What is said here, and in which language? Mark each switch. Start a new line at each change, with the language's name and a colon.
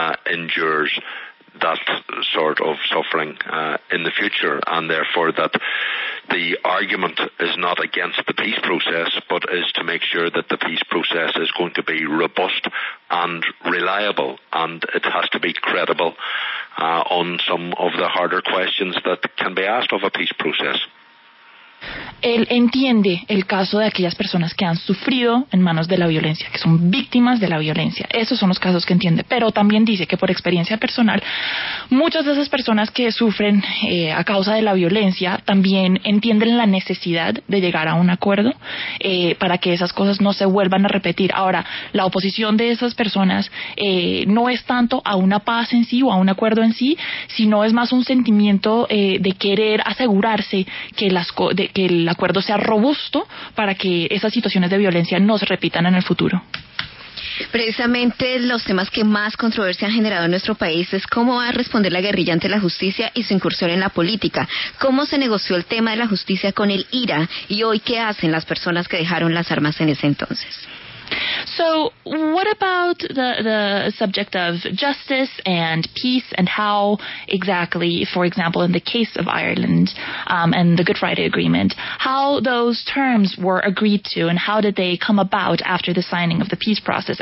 English: endures that sort of suffering in the future, and therefore that the argument is not against the peace process, but is to make sure that the peace process is going to be robust and reliable, and it has to be credible on some of the harder questions that can be asked of a peace process.
Spanish: Él entiende el caso de aquellas personas que han sufrido en manos de la violencia, que son víctimas de la violencia. Esos son los casos que entiende. Pero también dice que por experiencia personal, muchas de esas personas que sufren a causa de la violencia también entienden la necesidad de llegar a un acuerdo para que esas cosas no se vuelvan a repetir. Ahora, la oposición de esas personas no es tanto a una paz en sí o a un acuerdo en sí, sino es más un sentimiento de querer asegurarse que que el acuerdo sea robusto para que esas situaciones de violencia no se repitan en el futuro. Precisamente los temas que más controversia han generado en nuestro país es cómo va a responder la guerrilla ante la justicia y su incursión en la política. ¿Cómo se negoció el tema de la justicia con el IRA? ¿Y hoy qué hacen las personas que dejaron las armas en ese entonces?
English: So what about the subject of justice and peace, and how exactly, for example, in the case of Ireland and the Good Friday Agreement, how those terms were agreed to and how did they come about after the signing of the peace process?